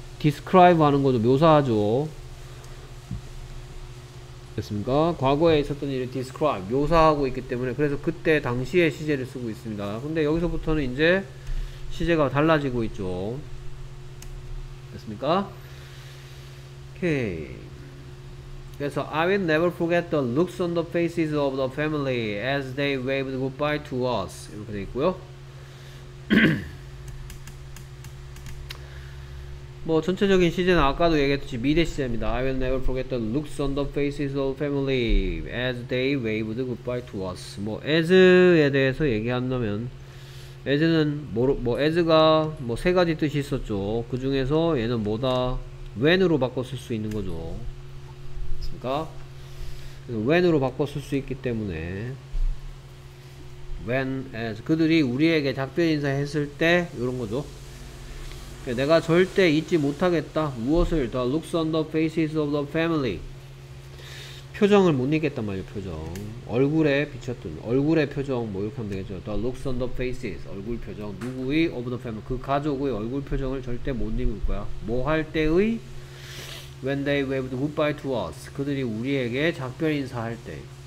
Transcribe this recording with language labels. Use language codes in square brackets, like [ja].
[ko] Describe 하는 거죠. 묘사하죠. 됐습니까? 과거에 있었던 일을 describe, 묘사하고 있기 때문에 그래서 그때 당시의 시제를 쓰고 있습니다. 근데 여기서부터는 이제 시제가 달라지고 있죠. 됐습니까? 오케이. [en] 그래서 I will never forget the looks on the faces of the family as they waved goodbye to us. [ko] 이렇게 돼 있고요. 뭐 전체적인 시제는 아까도 얘기했듯이 미래 시제입니다. [en] I will never forget the looks on the faces of family as they waved goodbye to us. [ko] 뭐 as에 대해서 얘기한다면 as는 뭐 as가 뭐 세 가지 뜻이 있었죠. 그 중에서 얘는 뭐다 when으로 바꿨을 수 있는 거죠. 그러니까 when으로 바꿨을 수 있기 때문에 when as 그들이 우리에게 작별 인사했을 때 이런 거죠. 내가 절대 잊지 못하겠다. 무엇을? [en] The looks on the faces of the family. [ko] 표정을 못 잊겠단 말이에요. 표정. 얼굴에 비쳤던 얼굴의 표정 뭐 이렇게 하면 되겠죠. [en] The looks on the faces. [ko] 얼굴 표정. 누구의 [en] of the family. [ko] 그 가족의 얼굴 표정을 절대 못 잊을 거야. 뭐 할 때의? [en] When they waved goodbye to us. [ko] 그들이 우리에게 작별 인사할 때.